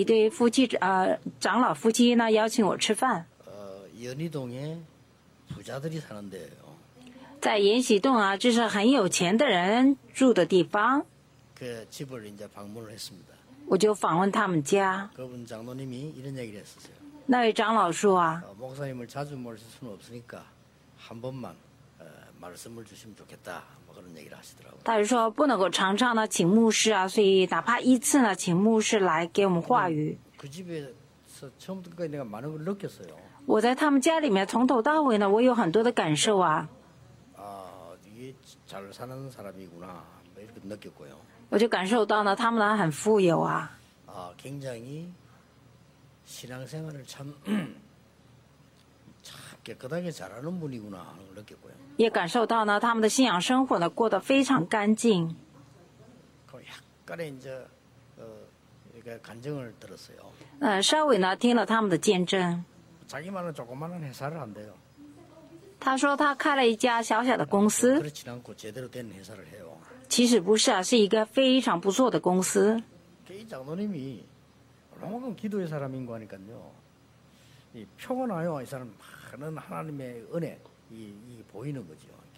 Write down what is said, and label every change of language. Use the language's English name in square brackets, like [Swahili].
[Chinese] 我以前呢，就是说到全国呢做带领聚会的时候，在首尔一对夫妻，长老夫妻呢邀请我吃饭。 [Korean] 연희동에 부자들이 사는데요. [Chinese] 在延禧洞啊，就是很有钱的人住的地方。 [Korean] 그 집을 이제 방문을 했습니다. [Chinese] 我就访问他们家。 [Korean] 그분 장로님이 이런 얘기를 했었어요. [Chinese] 那位长老说啊。 [Korean] 목사님을 자주 모실 수는 없으니까 한 번만. 말씀을 주시면 좋겠다. 뭐 그런 얘기를 하시더라고요. 다시 [Chinese] 说不能够常常的请牧师啊，所以哪怕一次呢，请牧师来给我们话语。 [Korean] 그 집에서 처음부터 내가 많은 걸 느꼈어요. [Chinese] 我在他们家里面从头到尾呢，我有很多的感受啊。 [Korean] 아, 이게 잘 사는 사람이구나. 이렇게 느꼈고요. [Chinese] 我就感受到呢，他们呢很富有啊。 [Korean] 아, 굉장히 신앙생활을 참. 깨끗하게 잘하는 분이구나 느꼈고요. [Chinese] 也感受到呢，他们的信仰生活呢过得非常干净。 [Korean] 그럼 약간의 이제 이렇게 간증을 들었어요. [Chinese] 稍微呢听了他们的见证。 [Korean] 자기만은 조그마한 회사를 한대요. [Chinese] 他说他开了一家小小的公司。 [Korean] 그렇지 않고 제대로 된 회사를 해요. [Chinese] 其实不是啊，是一个非常不错的公司。 [Korean] 그 장로님이 너무 기도의 사람인 거 아니깐요. 이 표가 나요. 이 사람 많은 하나님의 은혜 이 보이는 거죠.